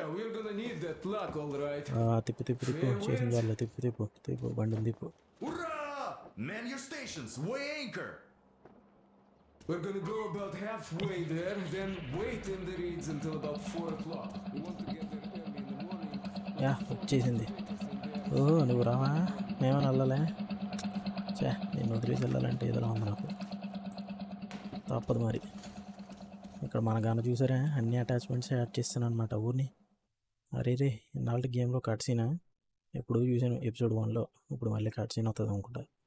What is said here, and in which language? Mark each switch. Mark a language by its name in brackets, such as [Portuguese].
[Telugu] తిప్పు తిప్పు తిప్పు చేసిన వాళ్ళ తిప్పు తిప్పు తిప్పు బండిని తిప్పు. [English] Man your stations, weigh anchor. We're gonna go about halfway there, then wait in the reeds until about 4 o'clock. We want to get there early in the morning. Yeah, what are you doing? Oh, you're coming. I'm coming. I'm coming. I'm coming. I'm coming. I'm coming. I'm coming. [Telugu] ఇక్కడ మన గాన చూసారా, అన్ని attachments add చేస్తున్నాను అనమాట ఊరిని. అరే రే, ఇన్నాళ్ళు గేమ్లో కట్ సీన్ ఎప్పుడూ చూసాను ఎపిసోడ్ వన్లో, ఇప్పుడు మళ్ళీ కట్ సీన్ అవుతుంది అనుకుంటా.